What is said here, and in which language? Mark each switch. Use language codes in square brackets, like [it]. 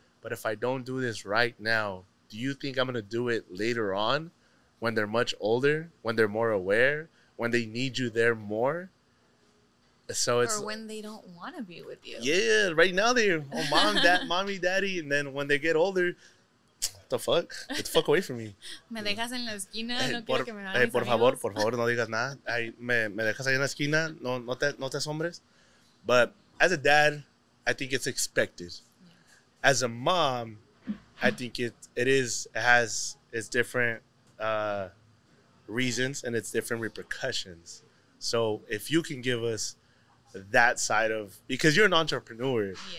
[en] But if I don't do this right now, do you think I'm going to do it later on when they're much older, when they're more aware, when they need you there more? So it's, or when they don't want to be with you. Yeah, right now they're, oh, mom, dad, mommy, daddy. And then when they get older, the fuck? Get the fuck away from me. [es] Me dejas en la esquina, no quiero que me hagas. Por favor, no digas nada. Me dejas ahí en la esquina, no te asombres. [en] But as a dad, I think it's expected. Yeah. As a mom, I think it's different reasons and it's different repercussions. So if you can give us that side of, because you're an entrepreneur.